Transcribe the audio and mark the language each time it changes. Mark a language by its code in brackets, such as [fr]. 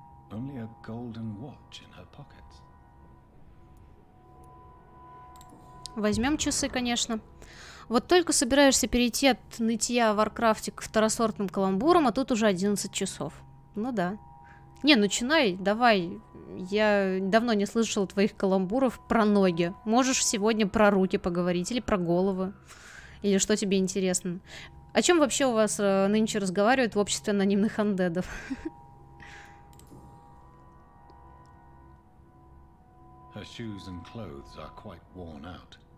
[en] Only a golden watch in her pockets. [ru] Возьмем часы, конечно. Вот только собираешься перейти от нытья в Варкрафте к второсортным каламбурам, а тут уже 11 часов. Ну да. Не, начинай, давай. Я давно не слышала твоих каламбуров про ноги. Можешь сегодня про руки поговорить, или про головы, или что тебе интересно. О чем вообще у вас нынче разговаривают в обществе анонимных андедов? [en] Her shoes and clothes are quite worn out.